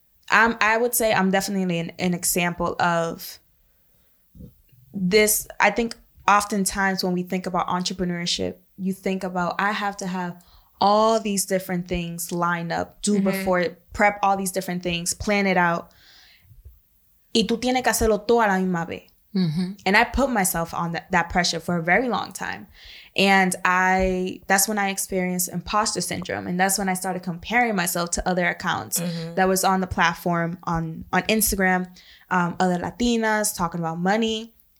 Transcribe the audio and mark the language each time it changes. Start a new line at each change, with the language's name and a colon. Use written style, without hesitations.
English: I would say I'm definitely an example of this. I think oftentimes when we think about entrepreneurship, you think about, I have to have all these different things lined up, do mm-hmm. before, prep all these different things, plan it out.
Spanish: Y tú tienes que hacerlo todo a la misma vez. Mm-hmm.
English: And I put myself on that pressure for a very long time. And that's when I experienced imposter syndrome. And that's when I started comparing myself to other accounts mm-hmm. that was on the platform, on Instagram, other Latinas talking about money.